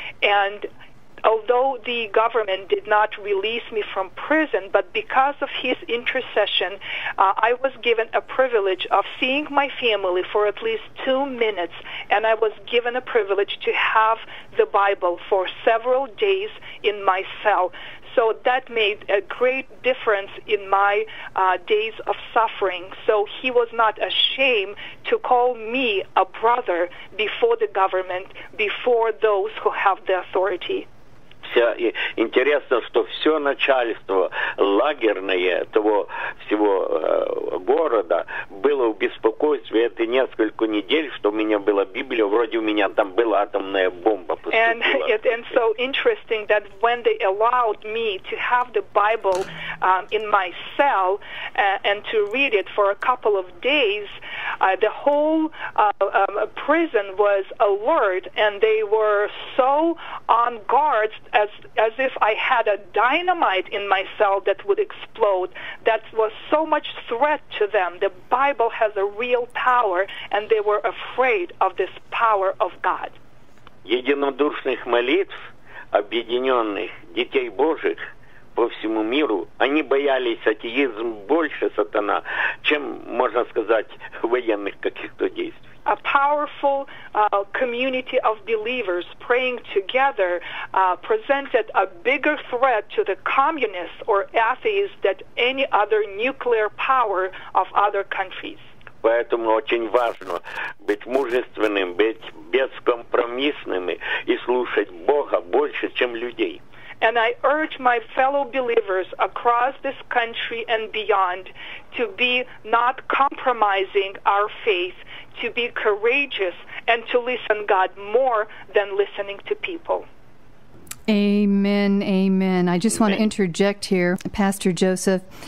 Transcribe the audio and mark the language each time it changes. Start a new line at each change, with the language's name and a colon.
English: And although the government did not release me from prison, but because of his intercession, I was given a privilege of seeing my family for at least 2 minutes, and I was given a privilege to have the Bible for several days in my cell. So that made a great difference in my days of suffering. So he was not ashamed to call me a brother before the government, before those who have the authority.
Russian: Интересно, что все начальство лагерное того всего города было в беспокойстве эти несколько недель, что у меня была Библия, вроде у меня там была атомная бомба.
English: And so interesting that when they allowed me to have the Bible in my cell and to read it for a couple of days, the whole prison was alert and they were so on guard as if I had a dynamite in my cell that would explode. That was so much threat to them. The Bible has a real power, and they were afraid of this power of God.
Russian: Единодушных молитв, объединенных детей Божьих по всему миру, они боялись атеизм больше сатана, чем, можно сказать, военных каких-то действий.
English: A powerful community of believers praying together presented a bigger threat to the communists or atheists than any other nuclear power of other countries.
Russian: Поэтому очень важно быть мужественным, быть бескомпромиссными и слушать Бога больше, чем людей.
English: And I urge my fellow believers across this country and beyond to be not compromising our faith, to be courageous, and to listen to God more than listening to people. Amen, amen. I just want to interject here, Pastor Joseph.